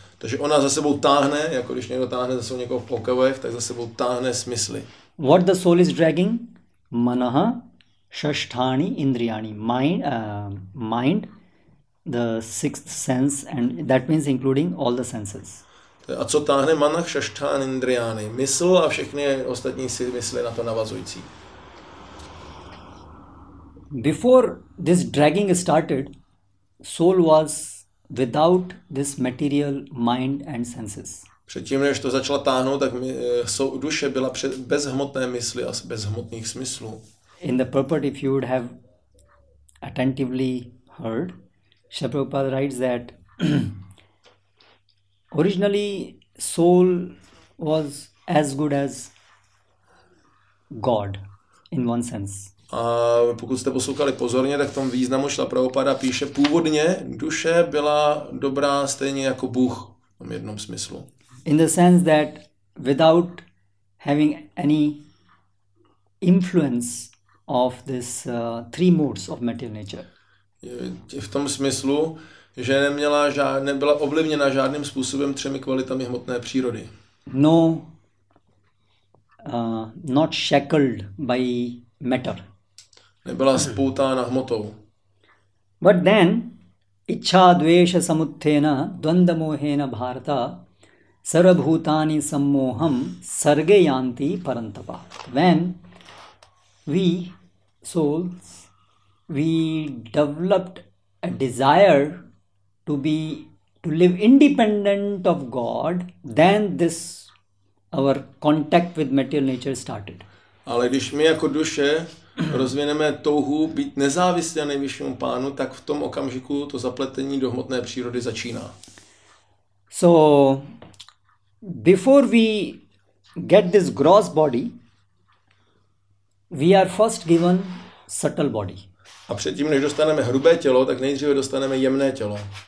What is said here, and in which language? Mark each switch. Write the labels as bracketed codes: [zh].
[cs] Takže ona za sebou táhne, jako když někdo táhne za sebou někoho v pokavech, tak za sebou táhne smysly. [en] What the soul is dragging? [sa] Manaha. Shashthani indriyani, [en] mind, the sixth sense, and that means including all the senses. [cs] A co táhne [sa] manah shashthani indriyani? [cs] Mysl a všechny ostatní si mysli na to navazující. [en] Before this dragging started, soul was without this material mind and senses. [cs] Předtím, než to začala táhnout, tak duše byla bez hmotné mysli a bez hmotných smyslů. [en] In the purport, if you would have attentively heard, Srila Prabhupada writes that originally soul was as good as God in one sense. [cs] A pokud jste poslouchali pozorně, tak v tom významu Srila Prabhupada píše, původně duše byla dobrá stejně jako Bůh v tom jednom smyslu. [en] In the sense that without having any influence of this three modes of material nature. [cs] V tom smyslu, že neměla nebyla ovlivněna žádným způsobem třemi kvalitami hmotné přírody. [en] No, not shackled by matter. [cs] Nebyla spoutána hmotou. [en] But then, [sa] iccha dvesha samutthena dvanda mohena bharata sarabhutani sammoham sarge yanti parantapa. [en] When we souls, we developed a desire to live independent of God, then this our contact with material nature started. [cs] Ale když my jako duše rozvineme touhu být nezávislí na nejvyššímu pánu, tak v tom okamžiku to zapletení do hmotné přírody začíná. [en] So before we get this gross body, we are first given subtle body. [cs] A předtím, než dostaneme hrubé tělo, tak nejdříve dostaneme jemné tělo.